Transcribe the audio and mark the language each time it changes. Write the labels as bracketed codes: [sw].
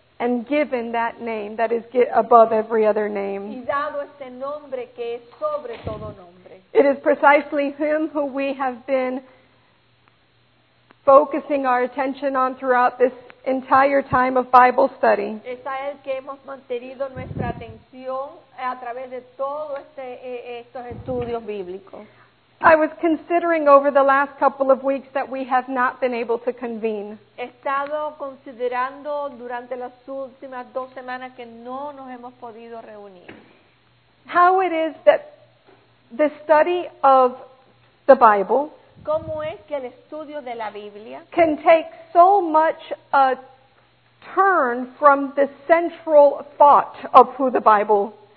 [en] And given that name that is above every other name. [es] Y dado ese nombre que es sobre todo nombre. [en] It is precisely him who we have been focusing our attention on throughout this entire time of Bible study. [es] Es a él que hemos mantenido nuestra atención a través de todo estos estudios bíblicos. [en] I was considering over the last couple of weeks that we have not been able to convene. [es] He estado considerando durante las últimas dos semanas que no nos hemos podido reunir. [en] How it is that the study of the Bible, [es] ¿cómo es que el estudio de la Biblia, [en] can take so much a turn from the central thought of who the Bible is?